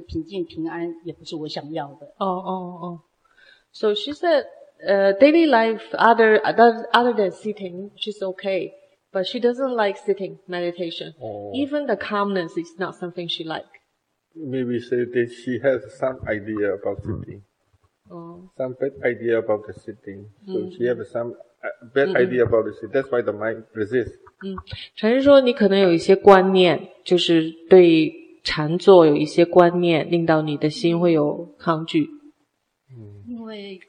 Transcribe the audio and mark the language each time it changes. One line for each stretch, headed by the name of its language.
Chinese: 就是说对静坐部分会比较不喜欢，不喜欢，因为感觉跟呼吸在一起的那个平静平安也不是我想要的。
English: So she said, daily life other than sitting, she's okay, but she doesn't like sitting meditation. Oh. Even the calmness is not something she likes. Maybe say that she has some idea about sitting. Some bad idea about the sitting. So she has some bad idea about the sitting. That's why the mind resists.
Chinese: 陈师说你可能有一些观念，就是对禅坐有一些观念，令到你的心会有抗拒。因为